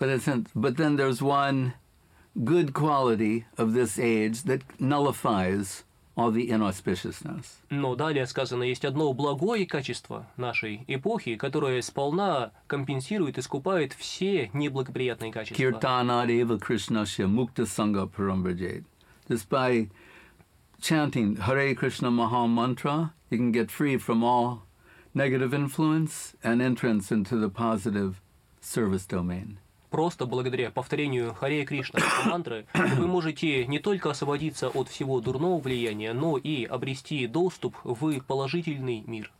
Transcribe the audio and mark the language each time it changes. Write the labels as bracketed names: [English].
[English] But then there's one good quality of this age that nullifies all the inauspiciousness. [Russian] Но далее сказано, есть одно благое качество нашей эпохи, которое сполна компенсирует и искупает все неблагоприятные качества. [Sanskrit] Киртана Рива Кришнаши Мукта Санга Парамбраджет. [English] Just by chanting Hare Krishna Maha Mantra, you can get free from all negative influence and entrance into the positive service domain. [Russian] Просто благодаря повторению Харе Кришна мантры вы можете не только освободиться от всего дурного влияния, но и обрести доступ в положительный мир.